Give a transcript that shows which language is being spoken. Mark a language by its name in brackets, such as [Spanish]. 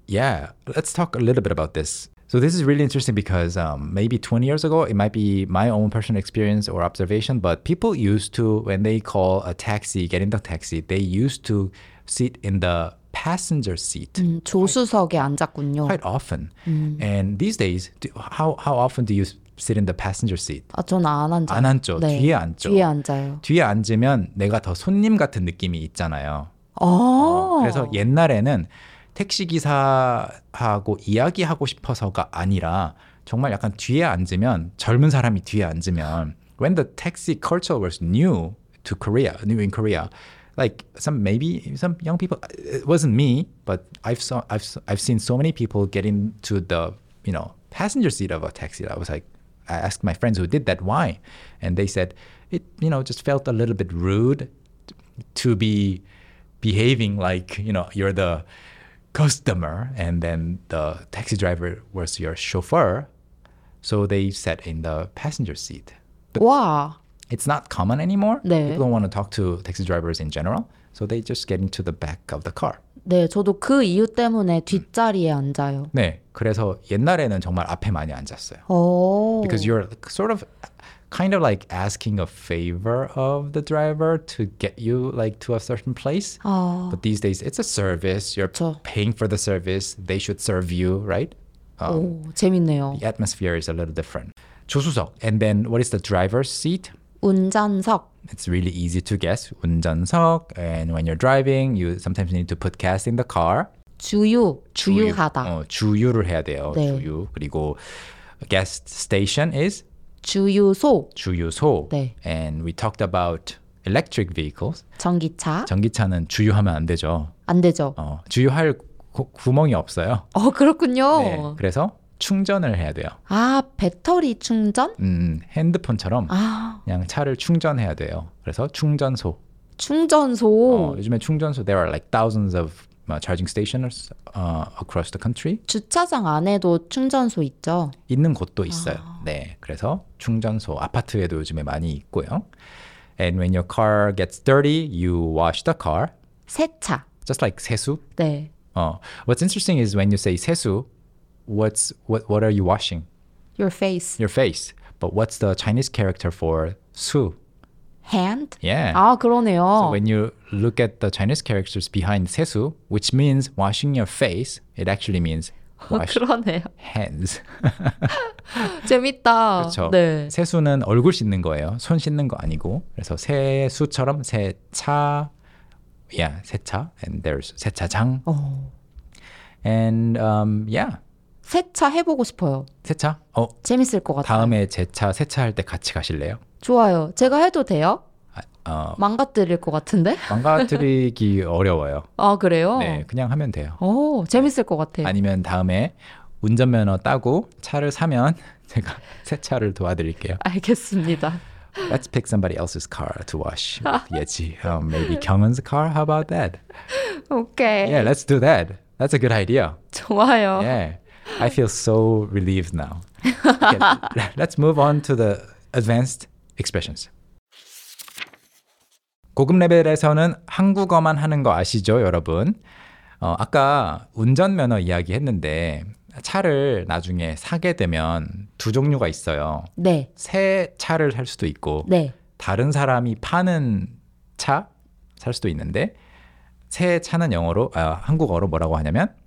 [English] Yeah, let's talk a little bit about this. So this is really interesting because maybe 20 years ago, it might be my own personal experience or observation, but people used to, when they call a taxi, get in the taxi, they used to sit in the passenger seat. [Korean] 조수석에 앉았군요. [English] Quite often. And these days, how often do you sit in the passenger seat? [Korean] 아, 전 안 앉아요. 안 앉죠. 네. 뒤에 앉죠. 뒤에 앉아요. 뒤에 앉으면 내가 더 손님 같은 느낌이 있잖아요. 어, 그래서 옛날에는 택시기사하고 이야기하고 싶어서가 아니라 정말 약간 뒤에 앉으면 젊은 사람이 뒤에 앉으면 [English] when the taxi culture was new to Korea, new in Korea, like some maybe some young people, it wasn't me, but I've seen so many people get into the, you know, passenger seat of a taxi. I was like, I asked my friends who did that why, and they said it, you know, just felt a little bit rude to be behaving like, you know, you're the customer and then the taxi driver was your chauffeur, so they sat in the passenger seat. But wow, it's not common anymore. [Korean] 네. [English] People don't want to talk to taxi drivers in general, so they just get into the back of the car. [Korean] 네, 저도 그 이유 때문에 뒷자리에 앉아요. 네, 그래서 옛날에는 정말 앞에 많이 앉았어요. [English] Oh. Because you're sort of kind of like asking a favor of the driver to get you like to a certain place. Oh. But these days, it's a service. You're [Korean] 그쵸. [English] Paying for the service. They should serve you, right? Oh, [Korean] 재밌네요. [English] The atmosphere is a little different. [Korean] 조수석. [English] And then what is the driver's seat? [Korean] 운전석. [English] It's really easy to guess. [Korean] 운전석. [English] And when you're driving, you sometimes need to put gas in the car. [Korean] 주유. 주유하다. 어, 주유를 해야 돼요. 네. 주유. 그리고 [English] gas station is? [Korean] 주유소. 주유소. 네. [English] And we talked about electric vehicles. [Korean] 전기차. 전기차는 주유하면 안 되죠. 안 되죠. 어, 주유할 구멍이 없어요. 어, 그렇군요. 네. 그래서 충전을 해야 돼요. 아, 배터리 충전? 핸드폰처럼 아. 그냥 차를 충전해야 돼요. 그래서 충전소. 충전소. 어, 요즘에 충전소. [English] There are like thousands of charging stations across the country. [Korean] 주차장 안에도 충전소 있죠? 있는 곳도 있어요. 아. 네, 그래서 충전소. 아파트에도 요즘에 많이 있고요. [English] And when your car gets dirty, you wash the car. [Korean] 세차. [English] Just like [Korean] 세수? 네. [English] What's interesting is when you say [Korean] 세수, [English] What are you washing? Your face. Your face. But what's the Chinese character for 수? Hand? Yeah. [Korean] 아, 그러네요. [English] So when you look at the Chinese characters behind [Korean] 세수, [English] which means washing your face, it actually means wash [Korean] 그러네요. [English] Hands. [Korean] 재밌다. 그렇죠. 네. 세수는 얼굴 씻는 거예요. 손 씻는 거 아니고. 그래서 세수처럼 세차. [English] Yeah, [Korean] 세차. And there's 세차장. [English] Oh. And yeah. [Korean] 세차 해보고 싶어요. 세차? 재밌을 것 같아요. 다음에 제 차 세차할 때 같이 가실래요? 좋아요. 제가 해도 돼요? 망가뜨릴 것 같은데? 망가뜨리기 어려워요. 아, 그래요? 네, 그냥 하면 돼요. 오, 재밌을 것 같아요. 아니면 다음에 운전면허 따고 차를 사면 제가 세차를 도와드릴게요. 알겠습니다. [English] Let's pick somebody else's car to wash. [Korean] 예지. [English] Maybe 경은's car? How about that? Okay. Yeah, let's do that. That's a good idea. [Korean] 좋아요. [English] Yeah. I feel so relieved now. Okay, let's move on to the advanced expressions. [Korean] 고급 레벨에서는 한국어만 하는 거 아시죠, 여러분? 아까 운전면허 이야기했는데 차를 나중에 사게 되면 두 종류가 있어요. 네. 새 차를 살 수도 있고 네. 다른 사람이 파는 차 살 수도 있는데 새 차는 영어로 한국어로 뭐라고 하냐면